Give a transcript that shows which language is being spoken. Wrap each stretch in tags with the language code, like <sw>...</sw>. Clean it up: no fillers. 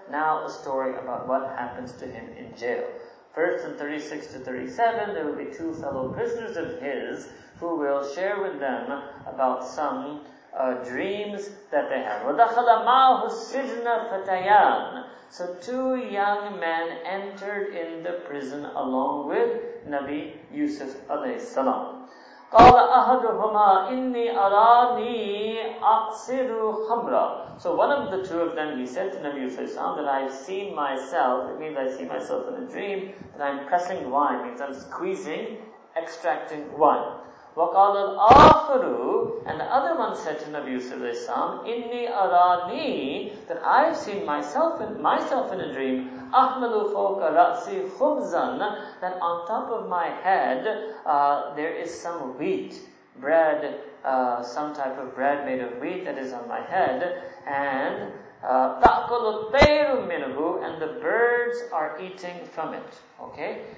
<en>Now a story about what happens to him in jail. First in 36 to 37, there will be two fellow prisoners of his who will share with them about some dreams that they have.</en> <ar>وَدَخَلَ مَعَهُ السِّجْنَ فَتَيَانَ.</ar> <en>So two young men entered in the prison along with Nabi Yusuf alayhi salam.</en> <ar>قَالَ أَحَدُهُمَا إِنِّي أَرَانِي أَقْصِرُ خَمْرًا.</ar> <en>So one of the two of them, he said to Nabi Yusuf alayhi salam, that I've seen myself, it means I see myself in a dream, that I'm pressing wine, it means I'm squeezing, extracting wine. were called an Ahuru, and the other one said to Nabi Yusuf alayhi salam,</en> <ar>Inni arani,</ar> <en>that I have seen myself in a dream,</en> <ar>Ahmalu foka ra'si khubzan,</ar> <en>that on top of my head there is some wheat, bread, some type of bread made of wheat that is on my head, and</en> <ar>ta'kulu tayru minhu,</ar> <en>and the birds are eating from it. Okay?</en>